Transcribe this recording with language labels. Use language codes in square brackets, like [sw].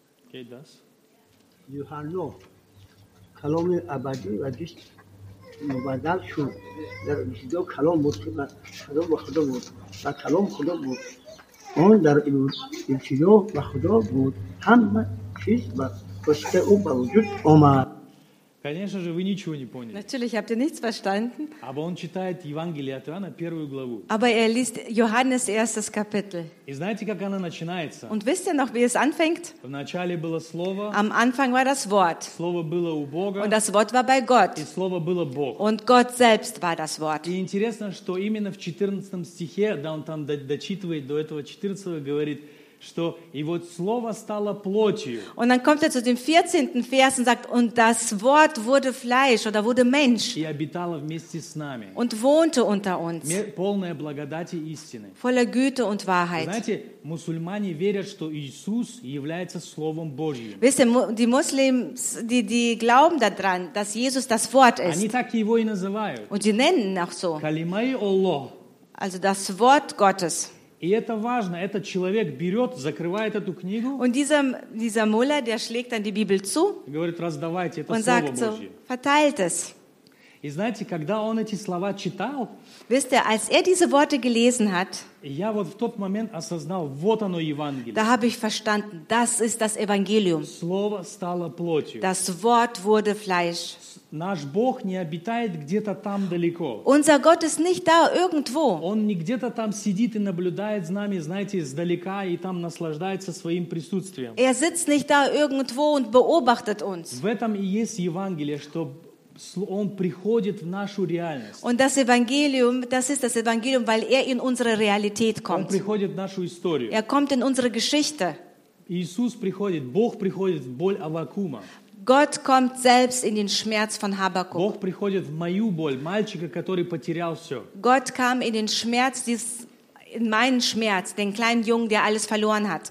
[de] Geht das? Ja, hallo. Hallo, aber ich war schon. Hallo, Mutter. [fa] اون در ابتدا و خدا بود همه چیز با پشت او با وجود آمد. [ru] Конечно же, вы ничего не поняли. [de] Natürlich habt ihr nichts verstanden. [ru] Aber он читает Евангелие от Иоанна первую главу. [de] Aber er liest Johannes erstes Kapitel. [ru] И знаете, как она начинается? [de] Und wisst ihr noch, wie es anfängt? [ru] В начале было слово. [de] Am Anfang war das Wort. [ru] Слово было у Бога. [de] Und das Wort war bei Gott. [ru] И слово было Бог. [de] Und Gott selbst war das Wort. [ru] И интересно, что именно в 14 стихе, да, он там дочитывает до этого 14-го, говорит, что и вот слово стало плотью. [de] Und dann kommt er zu dem 14. Vers und sagt: Und das Wort wurde Fleisch oder wurde Mensch. [ru] И обитало вместе с нами. [de] Und wohnte unter uns. [ru] Полная благодати истины. [de] Voller Güte und Wahrheit. [ru] Знаете, мусульмане верят, что Иисус является Словом Божьим. [de] Wisst ihr, die Muslims, die glauben daran, dass Jesus das Wort ist. [ru] Они так его и называют. [de] Und die nennen ihn auch so. [ru] Калимай Аллах. [de] Also das Wort Gottes. [ru] И это важно. Этот человек берет, закрывает эту книгу. [de] Und dieser Mulla, der schlägt dann die Bibel zu. [ru] Говорит: раздавайте это [de] und sagt [ru] Божье. [de] Verteilt es. [ru] И знаете, когда он эти слова читал, [de] wisst ihr, als er diese Worte gelesen hat, [ru] я вот в тот момент осознал, вот оно Евангелие. [de] Da habe ich verstanden, das ist das Evangelium. [ru] Слово стало плотью. [de] Das Wort wurde Fleisch. [ru] Наш Бог не обитает где-то там далеко. [de] Unser Gott ist nicht da irgendwo. [ru] Он не где-то там сидит и наблюдает за нами, знаете, издалека и там наслаждается своим присутствием. [de] Er sitzt nicht da irgendwo und beobachtet uns. [ru] В этом и есть Евангелие, что Он приходит в нашу реальность. [de] Und das Evangelium, das ist das Evangelium, weil er in unsere Realität kommt. [ru] Он приходит в нашу историю. [de] Er kommt in unsere Geschichte. [ru] Иисус приходит, Бог приходит в боль Аввакума. [de] Gott kommt selbst in den Schmerz von Habakkuk. [ru] Бог приходит в мою боль, мальчика, который потерял все. [de] Gott kam in den Schmerz dieses in meinen Schmerz, den kleinen Jungen, der alles verloren hat.